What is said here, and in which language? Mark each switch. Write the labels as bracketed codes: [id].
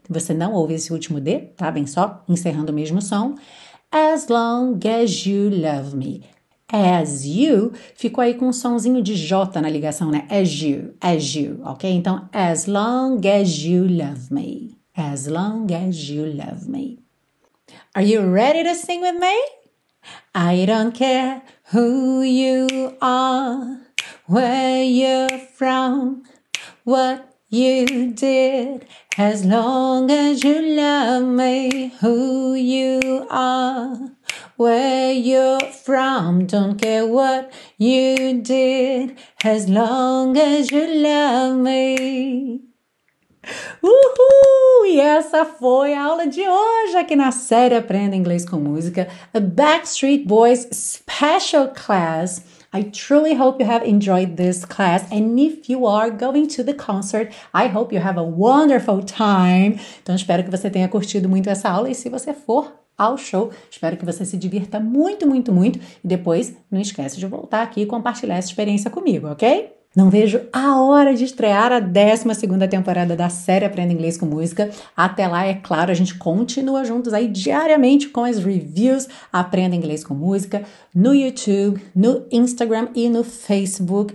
[pt] Você não ouve esse último D, tá? Bem só, encerrando o mesmo som. [en] As long as you love me. As you. [pt] Ficou aí com um sonzinho de J na ligação, né? [en] As you, ok? [pt] Então, [en] as long as you love me. As long as you love me. Are you ready to sing with me? I don't care who you are, where you're from, what you did, as long as you love me, who you are, where you're from, don't care what you did, as long as you love me. Uhul! [pt] E essa foi a aula de hoje aqui na série Aprenda Inglês com Música, a Backstreet Boys Special Class. [en] I truly hope you have enjoyed this class, and if you are going to the concert, I hope you have a wonderful time. [pt] Então, espero que você tenha curtido muito essa aula, e se você for ao show, espero que você se divirta muito, muito, muito, e depois não esquece de voltar aqui e compartilhar essa experiência comigo, ok? Não vejo a hora de estrear a 12ª temporada da série Aprenda Inglês com Música. Até lá, é claro, a gente continua juntos aí diariamente com as reviews Aprenda Inglês com Música no YouTube, no Instagram e no Facebook.